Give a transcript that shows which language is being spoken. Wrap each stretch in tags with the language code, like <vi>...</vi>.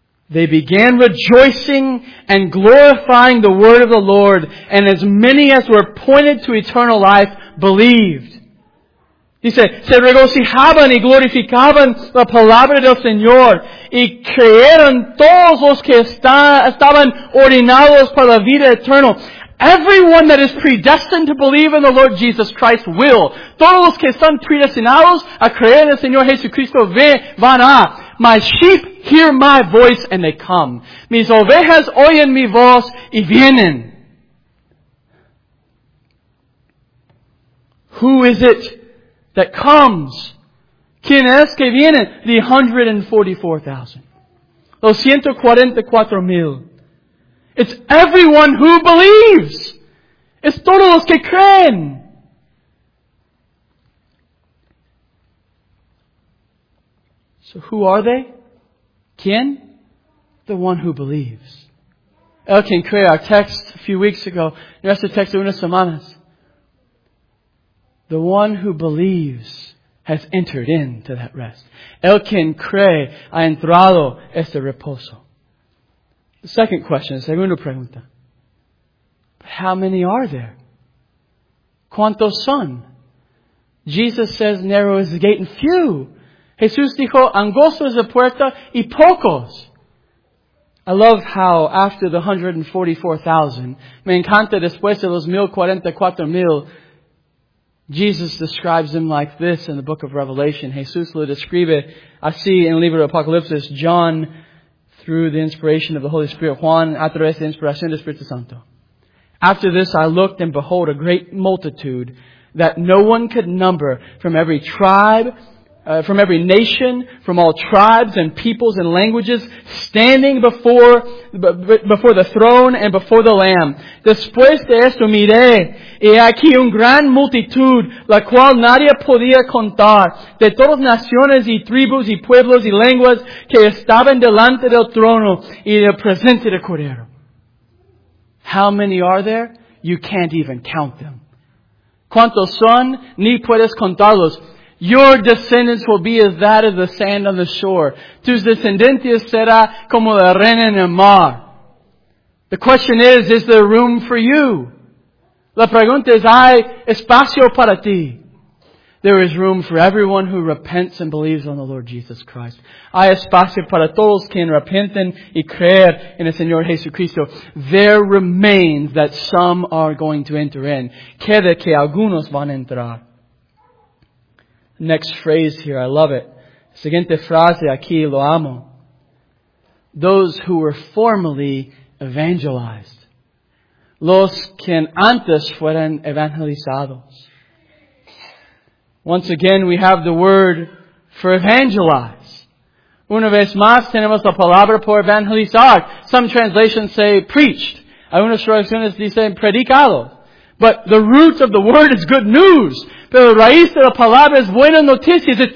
<en>They began rejoicing and glorifying the word of the Lord, and as many as were pointed to eternal life believed.</en> <es>Dice, se regocijaban y glorificaban la palabra del Señor, y creyeron todos los que estaban ordenados para la vida eterna.</es> <en>Everyone that is predestined to believe in the Lord Jesus Christ will.</en> <es>Todos los que están predestinados a creer en el Señor Jesucristo van a.</es> <en>My sheep hear my voice and they come.</en> <es>Mis ovejas oyen mi voz y vienen.</es> <en>Who is it that comes?</en> <es>¿Quién es que viene?</es> <en>The 144,000.</en> <es>Los 144,000.</es> <en>It's everyone who believes.</en> <es>Es todos los que creen.</es> <en>So who are they?</en> <es>¿Quién?</es> <en>The one who believes.</en> <es>El quien cree,</es> <en>our text a few weeks ago.</en> <es>Nuestro texto unas semanas.</es> <en>The one who believes has entered into that rest.</en> <es>El quien cree ha entrado este reposo.</es> <en>The second question,</en> <es>segunda pregunta.</es> <en>How many are there?</en> <es>¿Cuántos son?</es> <en>Jesus says narrow is the gate and few.</en> <es>Jesús dijo, angosto es la puerta y pocos.</es> <en>I love how after the 144,000,</en> <es>me encanta después de los 1,044,000,</es> <en>Jesus describes them like this in the book of Revelation.</en> <es>Jesús lo describe así en el libro de Apocalipsis,</es> <en>John, through the inspiration of the Holy Spirit,</en> <es>Juan, a través de la inspiración del Espíritu Santo.</es> <en>After this I looked and behold a great multitude that no one could number from every tribe, from every nation, from all tribes and peoples and languages, standing before the throne and before the Lamb.</en> <es>Después de esto miré, y aquí un gran multitud, la cual nadie podía contar, de todas naciones y tribus y pueblos y lenguas, que estaban delante del trono y del presente del Cordero.</es> <en>How many are there? You can't even count them.</en> <es>¿Cuántos son? Ni puedes contarlos.</es> <en>Your descendants will be as that of the sand on the shore.</en> <es>Tus descendientes será como la arena en el mar.</es> <en>The question is there room for you?</en> <es>La pregunta es, ¿hay espacio para ti?</es> <en>There is room for everyone who repents and believes on the Lord Jesus Christ.</en> <es>Hay espacio para todos quien arrepienten y creer en el Señor Jesucristo.</es> <en>There remains that some are going to enter in.</en> <es>Queda que algunos van a entrar.</es> <en>Next phrase here, I love it.</en> <es>Siguiente frase aquí, lo amo.</es> <en>Those who were formerly evangelized.</en> <es>Los que antes fueron evangelizados.</es> <en>Once again, we have the word for evangelize.</en> <es>Una vez más, tenemos la palabra por evangelizar.</es> <en>Some translations say preached.</en> <es>Hay unas traducciones que dicen predicado.</es> <en>But the root of the word is good news.</en> <es>Pero la raíz de la palabra es buena noticia.</es>